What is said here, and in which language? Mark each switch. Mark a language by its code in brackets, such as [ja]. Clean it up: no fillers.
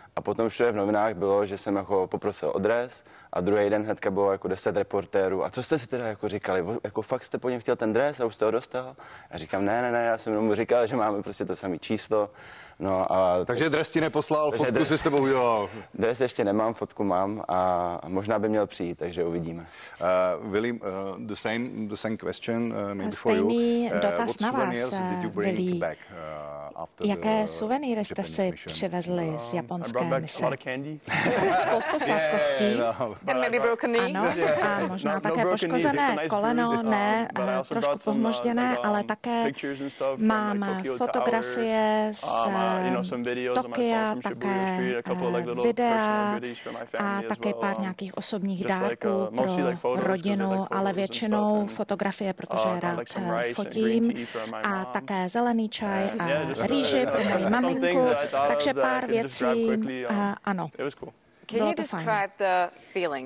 [cs] A potom všude v novinách bylo, že jsem jako poprosil o dres a druhý den hnedka bylo jako 10 reportérů. A co jste si teda jako říkali? Jako fakt jste po něm chtěl ten dres a už jste ho dostal? A říkám, ne, ne, ne, já jsem mu říkal, že máme prostě to samé číslo. No a takže dres ti neposlal, fotku dres, si s tebou udělal. Dres ještě nemám, fotku mám a možná by měl přijít, takže uvidíme. [en] William, the same question maybe for you. [cs] Stejný dotaz na vás, Willy. Jaké suvenýry jste si přivezli z japonské mise? Spoustu sladkostí. Ano, a možná také poškozené koleno, ne, trošku pohmožděné, ale také mám fotografie z Tokia, také videa a také pár nějakých osobních dárků pro rodinu, ale většinou fotografie, protože rád fotím, a také zelený čaj a rýži pro moji maminku, takže pár věcí, ano. [en] Can you describe the feelings?